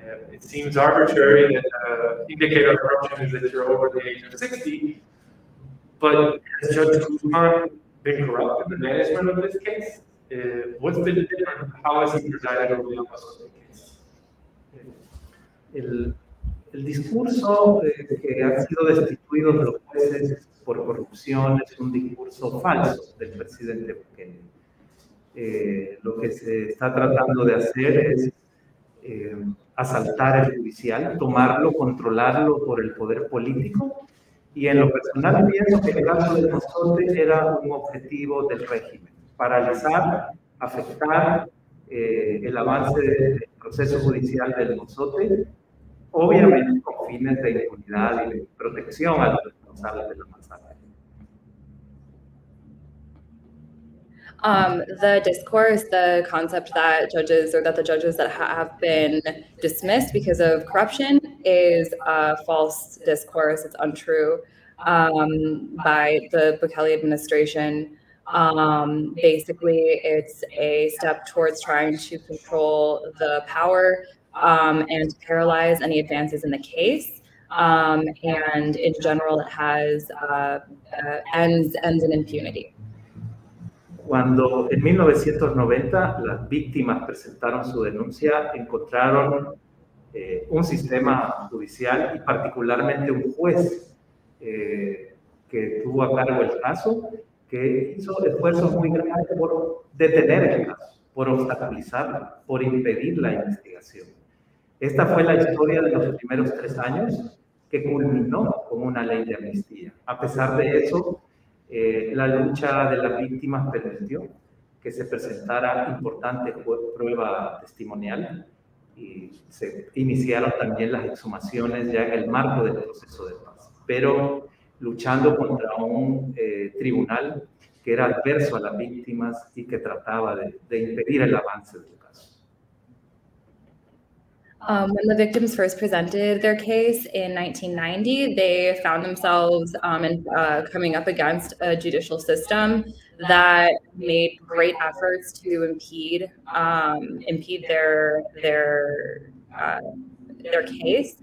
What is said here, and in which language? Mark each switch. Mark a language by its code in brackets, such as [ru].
[en] It seems arbitrary that the indicator of corruption is that you're over the age of 60, but has Judge Guzman been corrupt in the management of this case? What's been different? How has he presided over the Mozote case? [es] El discurso de que han sido destituidos los jueces por corrupción es un discurso falso del presidente Bukele. Lo que se está tratando de hacer es asaltar el judicial, tomarlo, controlarlo por el poder político, y en lo personal pienso que el caso de Mozote era un objetivo del régimen, paralizar, afectar el avance del proceso judicial del Mozote, obviamente con fines de impunidad y de protección a los responsables de la masacre. [en] The discourse, the concept that judges or that the judges that have been dismissed because of corruption is a false discourse. It's untrue by the Bukele administration. Basically, it's a step towards trying to control the power and paralyze any advances in the case. And in general, it has ends in impunity. [es] Cuando en 1990 las víctimas presentaron su denuncia, encontraron un sistema judicial y particularmente un juez que tuvo a cargo el caso, que hizo esfuerzos muy grandes por detener el caso, por obstaculizarla, por impedir la investigación. Esta fue la historia de los primeros 3 años que culminó con una ley de amnistía. A pesar de eso, la lucha de las víctimas permitió que se presentara importante prueba testimonial y se iniciaron también las exhumaciones ya en el marco del proceso de paz. Pero luchando contra un tribunal que era adverso a las víctimas y que trataba de impedir el avance del caso. [en] When the victims first presented their case in 1990, they found themselves coming up against a judicial system that made great efforts to impede their case.